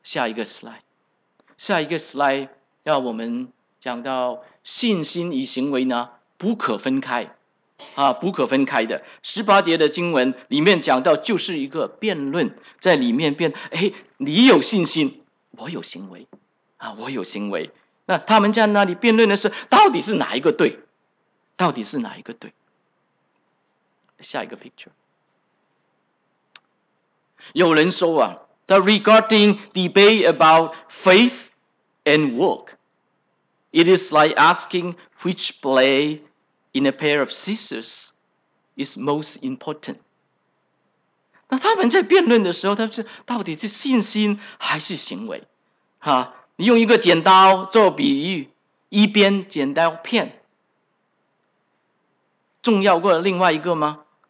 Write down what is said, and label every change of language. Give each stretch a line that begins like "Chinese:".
Chinese: 下一个 slide 要我们讲到信心与行为呢不可分开啊，不可分开的。十八节的经文里面讲到，就是一个辩论在里面辩，哎，你有信心，我有行为啊，我有行为。那他们在那里辩论的是，到底是哪一个对？到底是哪一个对？下一个
English: picture，
Chinese: 有人说啊
English: ，the regarding debate about faith and work， it is like asking which play in a pair of scissors is most important。
Chinese: 那他们在辩论的时候，他说到底是信心还是行为？哈，你用一个剪刀做比喻，一边剪刀片重要过另外一个吗？